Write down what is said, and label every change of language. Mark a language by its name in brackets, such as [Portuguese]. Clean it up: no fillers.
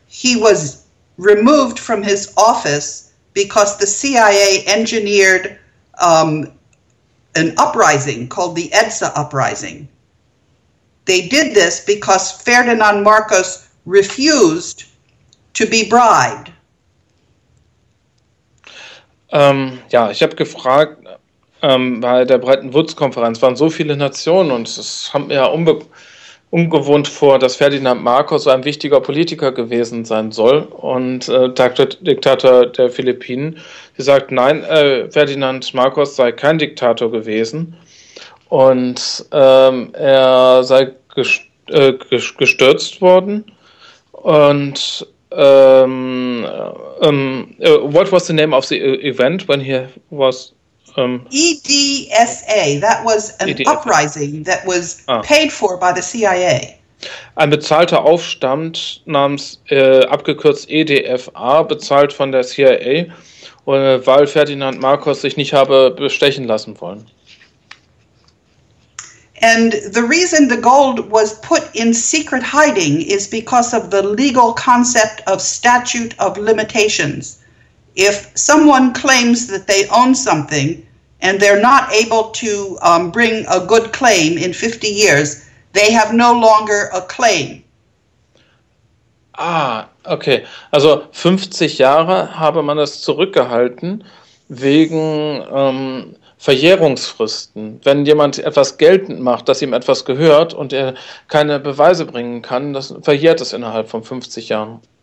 [English] He was removed from his office because the CIA engineered an uprising called the EDSA uprising. They did this because Ferdinand Marcos refused to be bribed. [German] Ich habe gefragt, bei der Bretton Woods Konferenz waren so viele Nationen und es kam mir ja ungewohnt vor, dass Ferdinand Marcos so ein wichtiger Politiker gewesen sein soll und Diktator der Philippinen. Sie sagt, nein, Ferdinand Marcos sei kein Diktator gewesen und er sei gestürzt worden. [English] Und what was the name of the event when he was... EDSA, that was an EDSA. Uprising that was paid for by the CIA. [German] Ein bezahlter Aufstand namens, abgekürzt EDFA, bezahlt von der CIA, weil Ferdinand Marcos sich nicht habe bestechen lassen wollen. [English] And the reason the gold was put in secret hiding is because of the legal concept of statute of limitations. If someone claims that they own something and they're not able to bring a good claim in 50 years, they have no longer a claim. Ah, okay. [German] Also 50 Jahre habe man das zurückgehalten wegen Verjährungsfristen. Wenn jemand etwas geltend macht, dass ihm etwas gehört und er keine Beweise bringen kann, das verjährt es innerhalb von 50 Jahren.